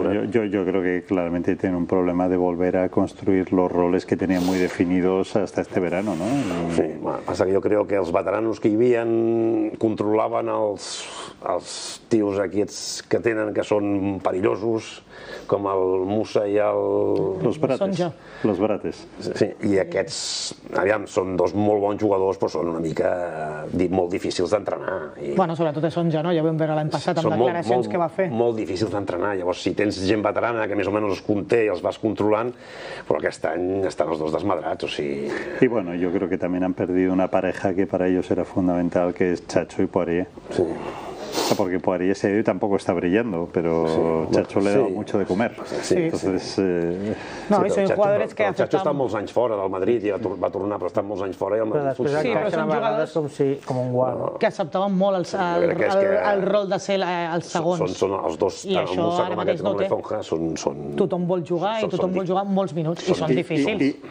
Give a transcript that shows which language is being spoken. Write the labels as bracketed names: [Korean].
[Spanish] Bueno, yo creo que claramente tienen un problema de volver a construir los roles que tenían muy definidos hasta este verano, ¿no? Sí, bueno, pasa que yo creo que [Catalan] els veteranos que hi havien controlaven els tios aquests que tenen, que són perillosos, com el Musa i el... [Spanish] Los Brates. Los Brates. [Catalan] Sí, i aquests, aviam, són dos molt bons jugadors, però són una mica molt difícils d'entrenar. Bueno, sobretot és Sonja, no? Ja vam veure l'any passat amb declaracions que va fer. Són molt difícils d'entrenar. Llavors, si tens gent veterana que més o menys els conté i els vas controlant, però aquest any estan els dos desmadrats, o sigui... I bueno, jo crec que també han perdut una pareja que per a ells era fonamental, que és Chacho i Poirier. Sí. [Spanish] Porque Poirier ese día tampoco está brillando, pero sí, Chacho bueno, le da mucho de comer. Sí, entonces, sí. No, sí, son jugadores que... [Catalan] Chacho está molts anys fora del Madrid i va tornar, però està molts anys fora i el Madrid... Però després encaixen a vegades com, si, com un guard. No. Que acceptaven molt el rol de ser els segons. Són els dos, i tant això, Musa com aquest, com Lefonja, són... Tothom vol jugar i tothom vol jugar molts minuts i són difícils.